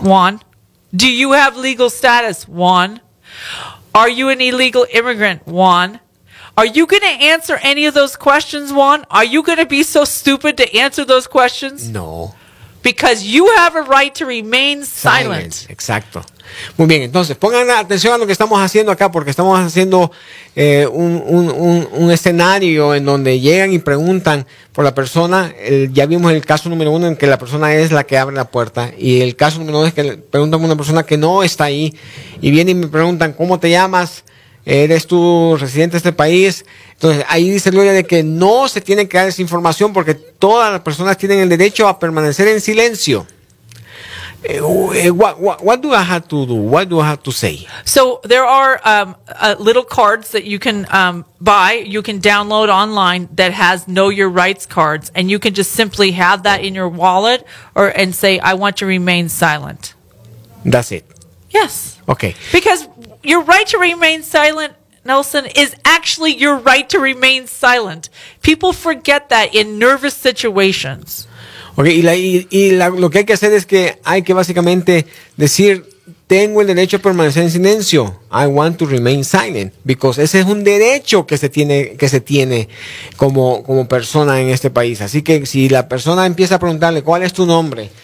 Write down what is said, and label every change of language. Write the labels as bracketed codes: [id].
[en] Juan. Do you have legal status, Juan? Are you an illegal immigrant, Juan? Are you going to answer any of those questions, Juan? Are you going to be so stupid to answer those questions? No. Because you have a right to remain silent. [es] Exacto. Muy bien, entonces pongan atención a lo que estamos haciendo acá, porque estamos haciendo un escenario en donde llegan y preguntan por la persona. Ya vimos el caso número uno en que la persona es la que abre la puerta, y el caso número dos es que preguntan a una persona que no está ahí y viene y me preguntan, ¿cómo te llamas? ¿Eres tú residente de este país? Entonces ahí dice Gloria de que no se tiene que dar esa información porque todas las personas tienen el derecho a permanecer en silencio. [en] What do I have to do? What do I have to say? So there are little cards that you can buy, you can download online that has Know Your Rights cards, and you can just simply have that in your wallet and say, I want to remain silent. That's it? Yes. Okay. Because your right to remain silent, Nelson, is actually your right to remain silent. People forget that in nervous situations. [es] Okay, lo que hay que hacer es que hay que básicamente decir, tengo el derecho a permanecer en silencio. [en] I want to remain silent. Because [es] ese es un derecho que se tiene como persona en este país. Así que si la persona empieza a preguntarle, ¿cuál es tu nombre?